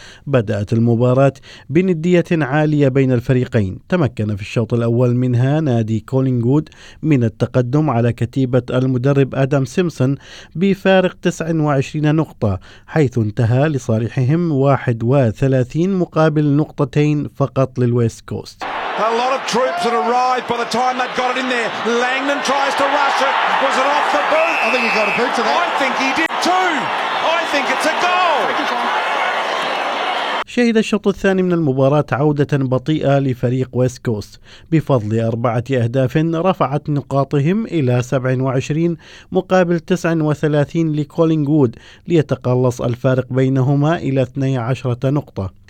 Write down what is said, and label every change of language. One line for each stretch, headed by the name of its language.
Arabic: بدأت المباراة بندية عالية بين الفريقين، تمكن في الشوط الأول منها نادي كولينغود من التقدم على كتيبة المدرب آدم سيمسون بفارق 29 نقطة، حيث انتهى لصالحهم 31 مقابل نقطتين فقط للويست كوست.
English: A lot of troops had arrived by the time they got it in there. Langdon tries to rush it. Was it off the boot? I think he got a boot to that. I think he did too. I think it's a goal.
Arabic: شهد الشوط الثاني من المباراة عودة بطيئة لفريق ويست كوست بفضل 4 أهداف رفعت نقاطهم إلى 27 مقابل 39 لكولينغود، ليتقلص الفارق بينهما إلى 12 نقطة.